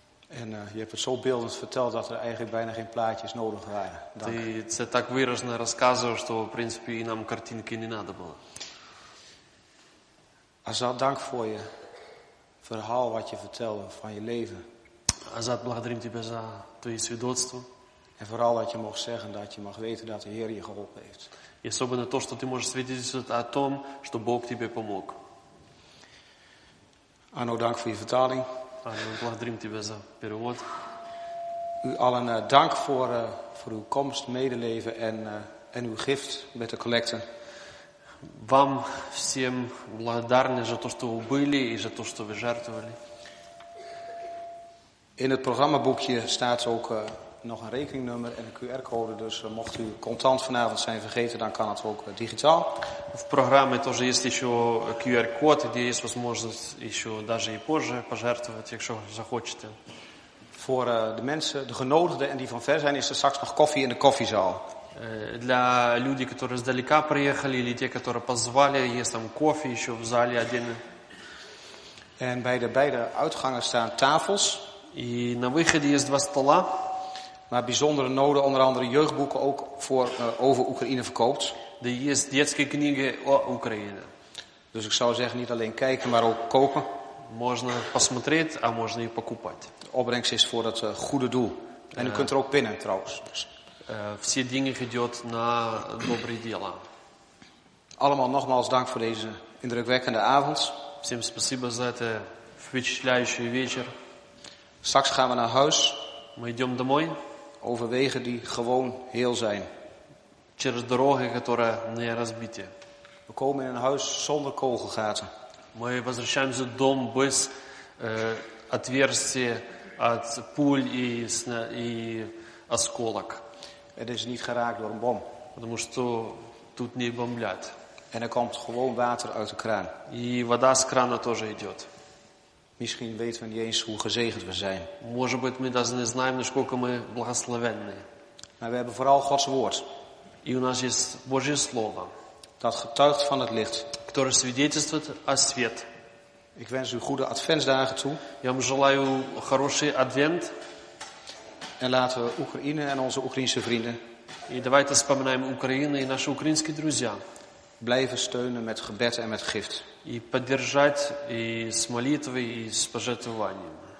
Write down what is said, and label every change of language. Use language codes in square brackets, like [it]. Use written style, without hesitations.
[nl] En je hebt het zo beeldend verteld dat er eigenlijk bijna geen plaatjes nodig waren. [ru] Ты так выразно рассказывал, что в принципе и нам картинки не надо было. [nl] Азат, dank voor je verhaal wat je vertelde van je leven. [ru] Азат, благодарим тебя за твои свидетельства. [nl] En vooral dat je mag zeggen dat je mag weten dat de Heer je geholpen heeft. [ru] И особенно то, что ты можешь свидетельствовать о том, что Бог тебе помог. [nl] Arno, dank voor je vertaling. [ru] Благодарим тебя за перевод. [nl] U allen dank voor uw komst, medeleven en uw gift met de collecte. [ru] Вам всем благодарны за то, что вы были и за то, что вы жертвовали. [nl] In het programmaboekje staat ook nog een rekeningnummer en een QR-code. Dus mocht u contant vanavond zijn vergeten, dan kan het ook digitaal. [ru] В программе тоже есть еще QR-код, где есть возможность еще даже и позже пожертвовать, если захочете. [nl] Voor de mensen, de genodigden en die van ver zijn, is er straks nog koffie in de koffiezaal. [ru] Для людей, которые издалека приехали, или те, которые позвали, есть там кофе еще в зале один. [nl] En bij de beide uitgangen staan tafels. [ru] И на выходе есть два стола. [nl] Maar bijzondere noden, onder andere jeugdboeken, ook voor over Oekraïne verkoopt. [ru] De есть детские книги о Украине. [nl] Dus ik zou zeggen niet alleen kijken, maar ook kopen. [ru] Можно посмотреть, а можно и покупать. [nl] De opbrengst is voor het goede doel. En u kunt er ook pinnen, trouwens. [ru] Все деньги идут на добрые дела. [nl] Allemaal nogmaals dank voor deze indrukwekkende avond. [ru] Всем спасибо за это впечатляющий вечер. [nl] Straks gaan we naar huis. [ru] Мы идем домой. [nl] Over wegen die gewoon heel zijn. [ru] Через дороги, которые не разбиты. [nl] We komen in een huis zonder kogelgaten. [ru] Мы возвращаемся в дом без отверстия от пуль и осколок. [nl] Het is niet geraakt door een bom. [ru] Потому что тут не бомблят. [nl] En er komt gewoon water uit de kraan. [ru] И вода с крана тоже идет. [nl] Misschien weten we niet eens hoe gezegend we zijn. [ru] Может быть, мы даже не знаем, насколько мы благословенны. [nl] Maar we hebben vooral Gods woord. [ru] И у нас есть Божье слово. [nl] Dat getuigt van het licht. [ru] Которое свидетельствует о свет. [nl] Ik wens u goede adventsdagen toe. [ru] Я вам желаю хороший адвент. [nl] En laten we Oekraïne en onze Oekraïense vrienden. [ru] И давайте вспоминаем Украину и наши украинские друзья. [nl] Blijven steunen met gebed en met gift. [ru] И поддержать и с молитвой и с пожертвованием.